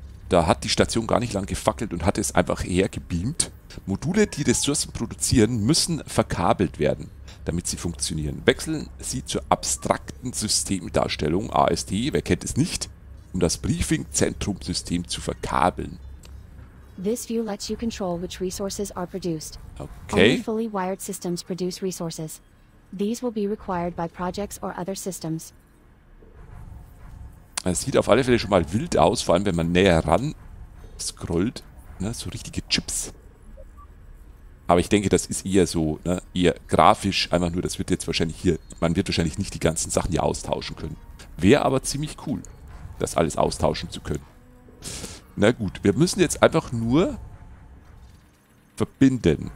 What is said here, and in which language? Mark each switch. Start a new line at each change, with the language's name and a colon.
German: Da hat die Station gar nicht lang gefackelt und hat es einfach hergebeamt. Module, die Ressourcen produzieren, müssen verkabelt werden, damit sie funktionieren. Wechseln Sie zur abstrakten Systemdarstellung, AST, wer kennt es nicht, um das Briefing-Zentrum-System zu verkabeln.
English: This view lets you control which resources are produced. Okay. Only fully wired systems produce resources. These will be required by projects or other systems.
German: Es sieht auf alle Fälle schon mal wild aus, vor allem wenn man näher ran scrollt. Ne, so richtige Chips. Aber ich denke, das ist eher so, ne, eher grafisch. Einfach nur, das wird jetzt wahrscheinlich hier, man wird wahrscheinlich nicht die ganzen Sachen hier austauschen können. Wäre aber ziemlich cool, das alles austauschen zu können. Na gut, wir müssen jetzt einfach nur verbinden.